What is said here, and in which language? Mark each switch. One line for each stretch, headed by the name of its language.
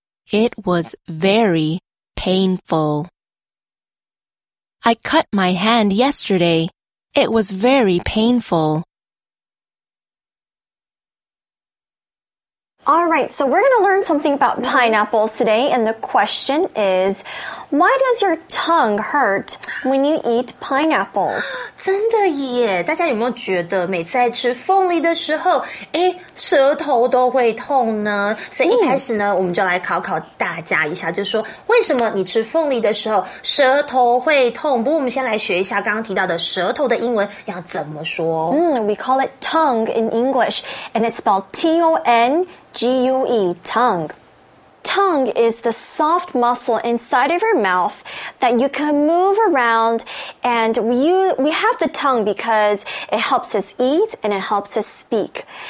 English: It was very painful. I cut my hand yesterday. It was very painful. All right, so we're going to learn something about pineapples today, and the question is, why does your tongue hurt when you eat pineapples?
Chinese: 真的耶，大家有没有觉得每次在吃凤梨的时候，诶，舌头都会痛呢？所以一开始呢，我们就来考考大家一下，就是说为什么你吃凤梨的时候舌头会痛？不过我们先来学一下刚刚提到的舌头的英文要怎么说。
English: We call it tongue in English, and it's spelled T-O-N-G-U-E, tongue. Tongue is the soft muscle inside of your mouth that you can move around, and we have the tongue because it helps us eat and it helps us speak.